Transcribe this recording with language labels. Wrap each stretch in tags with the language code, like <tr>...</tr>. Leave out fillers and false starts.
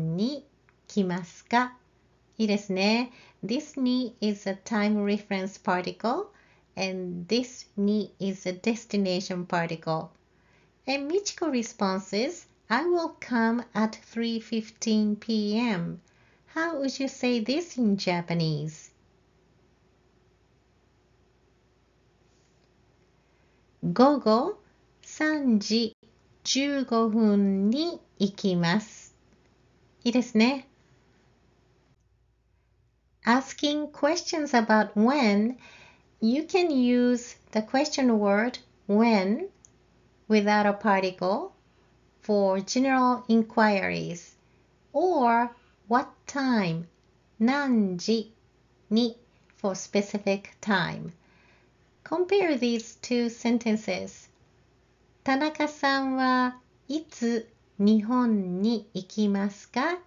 <ja>何時に日本に来ますか? いいですね。</ja> <en>This に is a time reference particle, and this に is a destination particle. And Michiko responses, I will come at 3:15 p.m. How would you say this in Japanese?</en> <ja>Gogo 3時15分に行きます。いいですね。</ja> <en>Asking questions about when, you can use the question word when without a particle for general inquiries, or what time, 何時に for specific time. Compare these two sentences.</en> <ja>田中さんはいつ日本に行きますか?</ja>